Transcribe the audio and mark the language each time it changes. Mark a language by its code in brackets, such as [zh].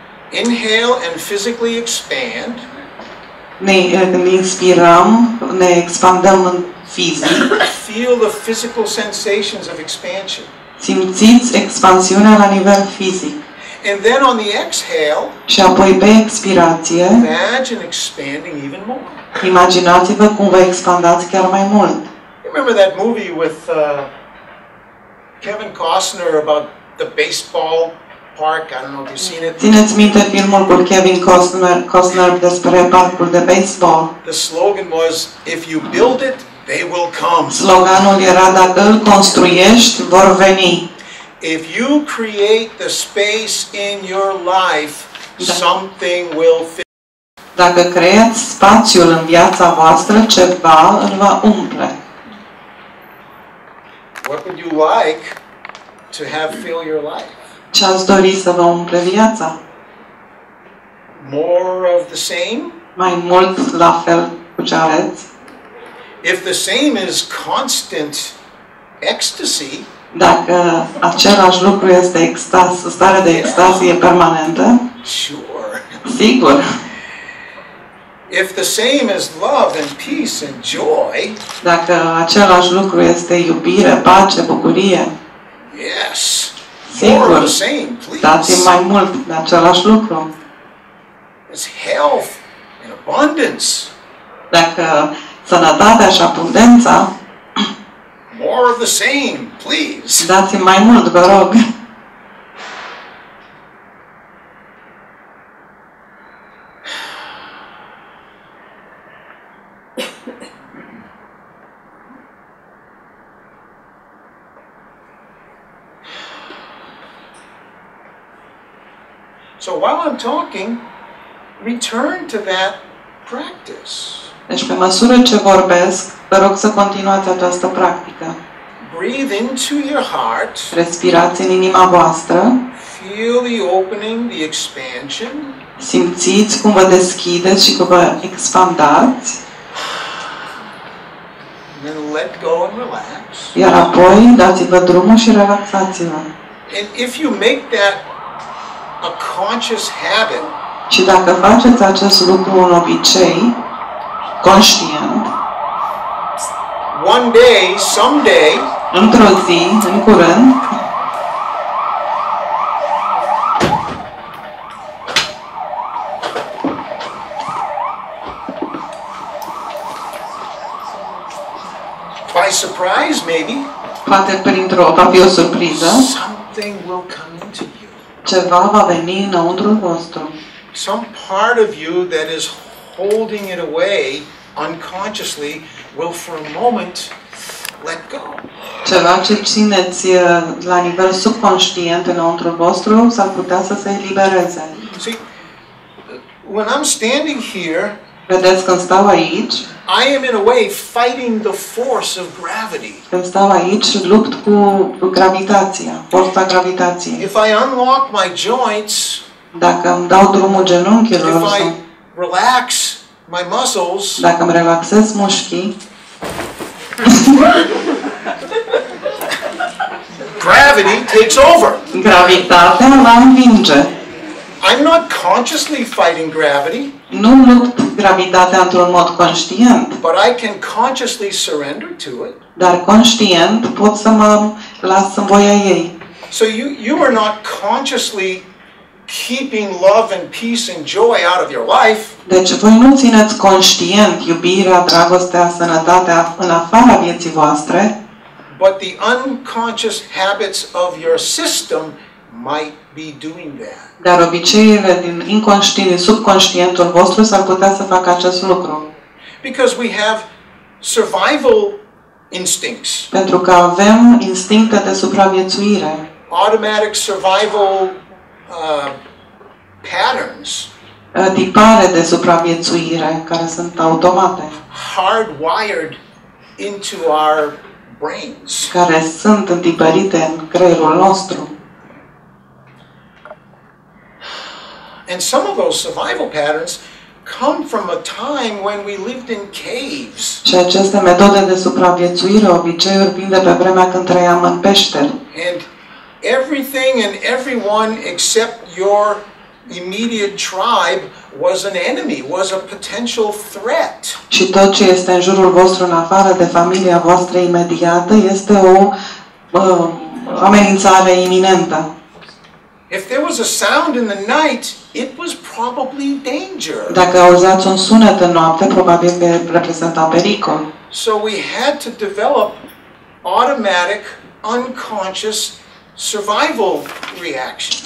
[en] Inhale and physically expand. [ro] Când inspirăm, ne expandăm în fizic. [en] Feel the physical sensations of expansion. [ro] Simțiți expansiunea la nivel fizic. [en] And then on the exhale, [ro] și apoi pe expirație, [en] imagine expanding even more. [ro] Imaginați-vă cum vă expandați chiar mai mult. [en] Remember that movie with Kevin Costner about the baseball park? I don't know if you've seen it. [ro] Țineți minte filmul cu Kevin Costner despre parcul de baseball? [en] The slogan was, if you build it, they will come. [ro] Sloganul era, dacă îl construiești, vor veni. [en] If you create the space in your life, something will fit. [ro] Dacă creați spațiul în viața voastră, ceva îl va umple. [en] What would you like to have fill your life? [ro] Ce ați dori să vă umple viața? [en] More of the same? [ro] Mai mult la fel cu ce aveți? [en] If the same is constant ecstasy, [ro] dacă același lucru este extaz, starea de extazie permanentă, [en] sure. [ro] Sigur. [en] If the same is love and peace and joy, [ro] dacă același lucru este iubire, pace, bucurie, [en] yes. [ro] Sigur. [en] More of the same, please. [ro] Dați mai mult de același lucru. [en] It's health and abundance. [ro] Dacă sănătatea și abundența, [en] more of the same, please. [ro] Dați mai mult, vă rog. [en] So while I'm talking, return to that practice. [ro] Deci pe măsură ce vorbesc, vă rog să continuați această practică. [en] Breathe into your heart. [ro] Respirați în inima voastră. [en] Feel the opening, the expansion. [ro] Simțiți cum vă deschideți și cum vă expandați. [en] And then let go and relax. [ro] Iar apoi dați-vă drumul și relaxați-vă. [en] And if you make that a conscious habit, [ro] și dacă faceți acest lucru un obicei, conștient, [en] one day, someday, [ro] într-o zi, în curând, [en] by surprise, maybe. [ro] Poate printr-o, va fi o surpriză. [en] Something will come into you. [ro] Ceva va veni înăuntru vostru. [en] Some part of you that is holding it away unconsciously will for a moment let go. [ro] Ceva ce țineți la nivel subconștient înăuntru vostru s-ar putea să se elibereze. [en] See, when I'm standing here, [ro] vedeți, când stau aici, [en] I am in a way fighting the force of gravity. [ro] Când stau aici, lupt cu gravitația, forța gravitației. [en] If I unlock my joints, [ro] dacă îmi dau drumul genunchilor, [en] if I relax my muscles, [ro] dacă îmi relaxez mușchii, [en] gravity takes over. [ro] Gravitatea mă învinge. [en] I'm not consciously fighting gravity. [ro] Nu lupt gravitatea într-un mod conștient. [en] But I can consciously surrender to it. [ro] Dar conștient pot să mă las în voia ei. [en] So you are not consciously keeping love and peace and joy out of your life. [ro] Deci voi nu țineți conștient iubirea, dragostea, sănătatea în afara vieții voastre. [en] But the unconscious habits of your system might be doing that. [ro] Dar obiceiurile din inconștient, subconștientul vostru s-ar putea să facă acest lucru. [en] Because we have survival instincts. [ro] Pentru că avem instincte de supraviețuire. [en] Automatic survival patterns. [ro] Tipare de supraviețuire care sunt automate. [en] Hardwired into our brains. [ro] Care sunt întipărite în creierul nostru. [en] And some of those survival patterns come from a time when we lived in caves. [ro] Și aceste metode de supraviețuire obiceiuri vin de pe vremea când trăiam în peșteri. [en] And everything and everyone except your immediate tribe was an enemy, was a potential threat. [ro] Și tot ce este în jurul vostru, în afară de familia voastră imediată, este o amenințare iminentă. [en] If there was a sound in the night, it was probably danger. [ro] Dacă auzeați un sunet în noapte, probabil că reprezenta pericol. [en] So we had to develop automatic unconscious survival reactions.